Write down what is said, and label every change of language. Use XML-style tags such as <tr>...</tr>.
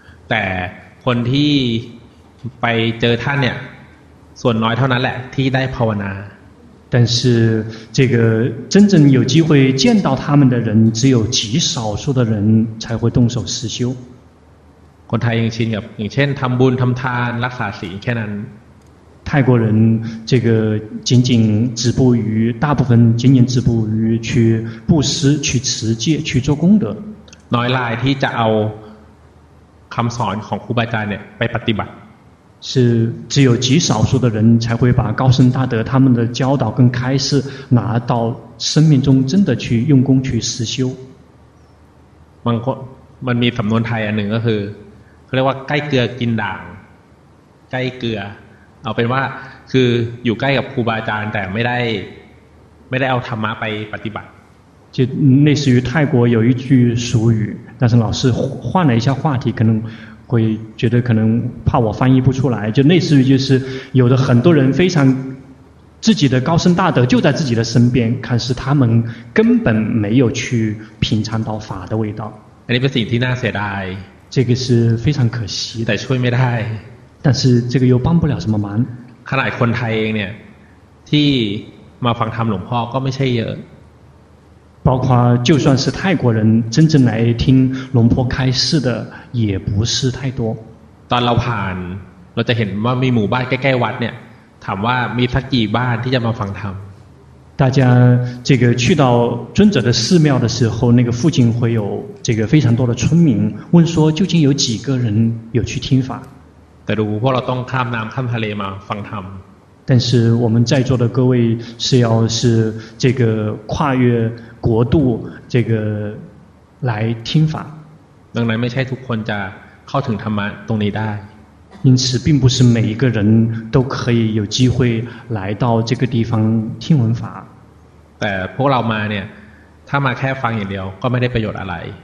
<th>แต่คนที่ไปเจอท่านเนี่ยส่วนน้อยเท่านั้นแหละที่ได้ภาวนา</th> <zh>但是这个真正有机会见到他们的人只有极少数的人才会动手实修</zh> <th>คนไทยยังชินกับอย่างเช่นทำบุญทำทานรักษาศีลแค่นั้น</th> <zh>泰国人这个仅仅止步于大部分仅仅止步于去布施去持戒去做功德</zh> <th>น้อยรายที่จะเอาคำสอนของครูบาอาจารย์เนี่ยไปปฏิบัติ</th> <zh>是只有极少数的人才会把高僧大德他们的教导跟开示拿到生命中真的去用功去实修</zh> <th>บางคนมันมีสำนวนไทยอันหนึ่งก็คือเขาเรียกว่าใกล้เกลือกินด่างใกล้เกลือเอาเป็นว่าคืออยู่ใกล้กับครูบาอาจารย์แต่ไม่ได้เอาธรรมะไปปฏิบัติ</th> <zh>就类似于泰国有一句俗语，但是老师换了一下话题，可能会觉得可能怕我翻译不出来。就类似于就是有的很多人非常自己的高僧大德就在自己的身边，可是他们根本没有去品尝到法的味道。</zh> <th>อันนี้เป็นสิ่งที่น่าเสียดาย</th> <zh>这个是非常可惜的。</zh> <th>แต่ช่วยไม่ได้</th> <zh>但是这个又帮不了什么忙</zh> <th>ขนาดคนไทยเองเนี่ยที่มาฟังธรรมหลวงพ่อก็ไม่ใช่เยอะ</th> <zh>包括就算是泰国人真正来听龙坡开示的也不是太多</zh> <th>ตอนเราผ่านเราจะเห็นว่ามีหมู่บ้านใกล้ๆวัดเนี่ยถามว่ามีสักกี่บ้านที่จะมาฟังธรรม</th> <zh>大家这个去到尊者的寺庙的时候那个附近会有这个非常多的村民问说究竟有几个人有去听法</zh> <th>แต่ดูพวกเราต้องข้ามน้ำข้ามทะเลมาฟังธรรม</th> <zh>但是我们在座的各位是要是这个跨越国度这个来听法</zh> <th>ดังนั้นไม่ใช่ทุกคนจะเข้าถึงธรรมะตรงนี้ได้</th> <zh>因此并不是每一个人都可以有机会来到这个地方听闻法</zh> <th>แต่พวกเรามาเนี่ยถ้ามาแค่ฟังอย่างเดียวก็ไม่ได้ประโยชน์อะไร</th>